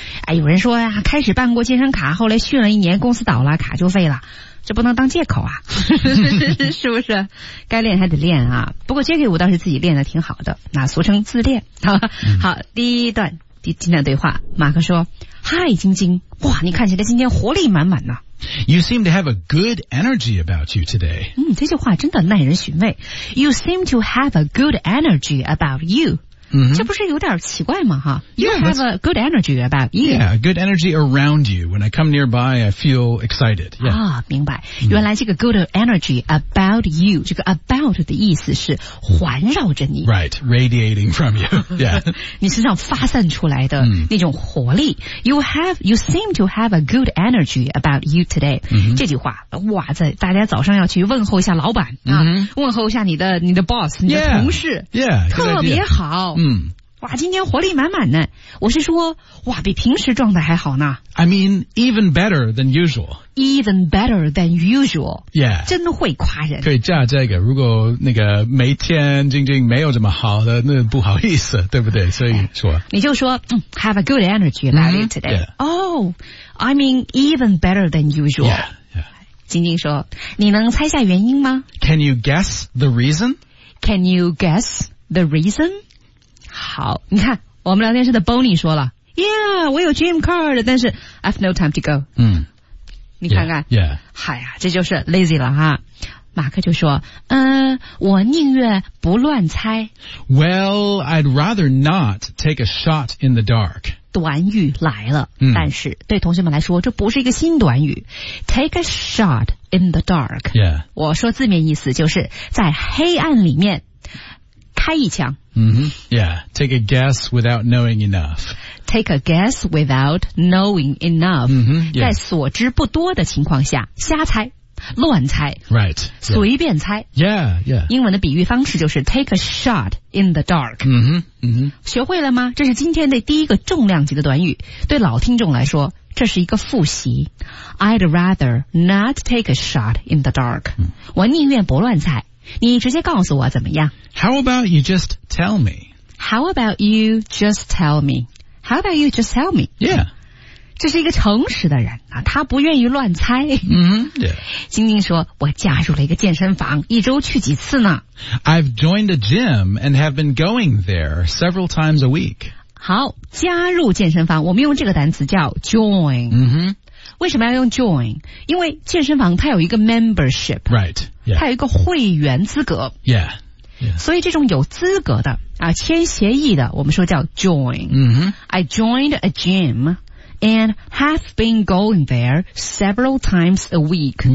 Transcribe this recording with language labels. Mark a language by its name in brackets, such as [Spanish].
[Chinese] 哎，有人说呀、啊，开始办过健身卡，后来训了一年，公司倒了，卡就废了，这不能当借口啊，是不是？该练还得练啊！不过 Jackie 我倒是自己练的挺好的，那俗称自练。好，第一段今天的对话，马克说 ：“Hi， 晶晶，哇，你看起来今天活力满满呢。” [English] You seem to have a good energy about you today. [Chinese] 这句话真的耐人寻味。 [English] You seem to have a good energy about you. [Chinese] 这不是有点奇怪吗？ [English] 哈 ，You have a good energy about you. Yeah, good energy around you. When I come nearby, I feel excited. Yeah. [Chinese] 明白。原来这个 [English] good energy about you， [Chinese] 这个 about 的意思是环绕着你。 [English] Right, radiating from you. Yeah. [Chinese] 你身上发散出来的那种活力。 [English] You seem to have a good energy about you today. [Chinese] 这句话，哇塞，大家早上要去问候一下老板啊，问候一下你的 boss， 你的同事， [English] yeah, [Chinese] 特别好。哇，今天活力满满呢。我是说，哇，比平时状态还好呢。 [English] I mean, even better than usual. Even better than usual. Yeah. [Chinese] 真会夸人。可以加这个，如果那个每天晶晶没有这么好的，那不好意思，对不对？所以说。 [English] 你就说，have a good energy about it today. Yeah. Oh, I mean, even better than usual. Yeah. [Chinese] 晶晶说，你能猜下原因吗？ [English] Can you guess the reason? Can you guess the reason? [Chinese] 好，你看我们聊天室的 Bonnie 说了 ，Yeah， 我有 gym card， 但是 [English] I've no time to go。 [Chinese] 你看看 [English] ，Yeah， [Chinese] 哎呀，这就是 lazy 了哈。马克就说，我宁愿不乱猜。 [English] Well， I'd rather not take a shot in the dark。 [Chinese] 短语来了，但是对同学们来说，这不是一个新短语。 [English] Take a shot in the dark。 Yeah， [Chinese] 我说字面意思就是在黑暗里面。开一枪。 [English] Yeah, take a guess without knowing enough. Take a guess without knowing enough. [Chinese] 在所知不多的情况下，瞎猜，乱猜。 [English] Right. [Chinese] 随便猜。 [English] Yeah. [Chinese] 英文的比喻方式就是 [English] take a shot in the dark. [Chinese] 学会了吗？这是今天的第一个重量级的短语。对老听众来说，这是一个复习。 [English] I'd rather not take a shot in the dark. [Chinese] 我宁愿不乱猜。你直接告诉我怎么样 [English] ？How about you just tell me? How about you just tell me? How about you just tell me? Yeah， [Chinese] 这是一个诚实的人啊，他不愿意乱猜。 [English] Yeah， [Chinese] 晶晶说，我加入了一个健身房，一周去几次呢 [English] ？I've joined a gym and have been going there several times a week。 [Chinese] 好，加入健身房，我们用这个单词叫 join。为什么要用 join？ 因为健身房它有一个 membership， [English] right？ Yeah. [Chinese] 它有一个会员资格， [English] yeah. Yeah. [Chinese] 所以这种有资格的啊，签协议的，我们说叫 join。 [English] I joined a gym and have been going there several times a week。